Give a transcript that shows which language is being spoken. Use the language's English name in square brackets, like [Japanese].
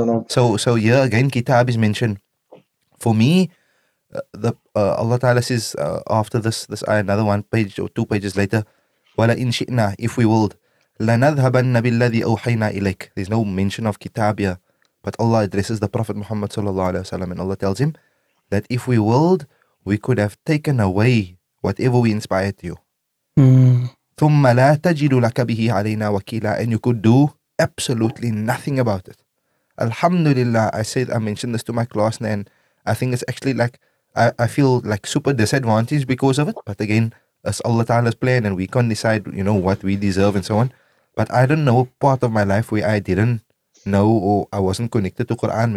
[English] So here again, Kitab is mentioned. For me, Allah Ta'ala says after this ayah, another one page or two pages later, [Arabic] wala in shi'na, [English] if we will. [Arabic] لَنَذْهَبَنَّ بِالَّذِي أَوْحَيْنَا إِلَيْكَ. [English] There's no mention of Kitab here, but Allah addresses the Prophet Muhammad sallallahu alaihi wasallam, and Allah tells him, that if we willed, we could have taken away whatever we inspired you. [Arabic] ثُمَّ لَا تَجِدُ لَكَ بِهِ عَلَيْنَا وَكِيلًا. [English] And you could do absolutely nothing about it. Alhamdulillah, I mentioned this to my class, and I think it's actually like, I feel like super disadvantaged because of it. But again, it's Allah Ta'ala's plan, and we can't decide, you know, what we deserve and so on. But I don't know part of my life where I didn't know or I wasn't connected to Quran.